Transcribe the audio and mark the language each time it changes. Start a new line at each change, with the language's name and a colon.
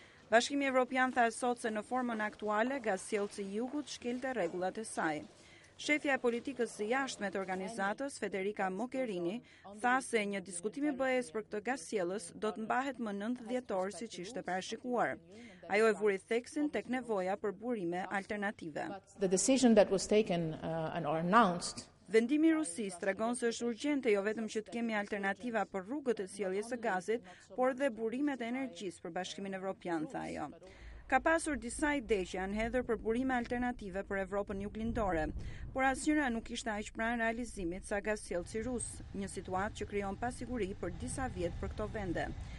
Albanian: Bashkimi Evropian tha sot se në formën aktuale gaz sjellësi i Jugut shkelte rregullat e saj. Shefja e politikës së jashtme të organizatës, Federica Mogherini, tha se një diskutim i BE-s për këtë gaz sjellës do të mbahet më 9 dhjetor siç ishte parashikuar. Ajo e vuri theksin tek nevoja për burime alternative.
English: The decision that was taken and or announced.
Albanian: Vendimi i Rusisë tregon se është urgjente jo vetëm që të kemi alternativa për rrugët e sjelljes së gazit, por dhe burimet e energjisë për Bashkimin Evropian, tha ajo. Ka pasur disa ide që janë hedhur për burime alternative për Evropën Jug-lindore, por asnjëra nuk ishte aq pranë realizimit sa gaz sjellësi rus, një situatë që krijon pasiguri për disa vjet për këto vende.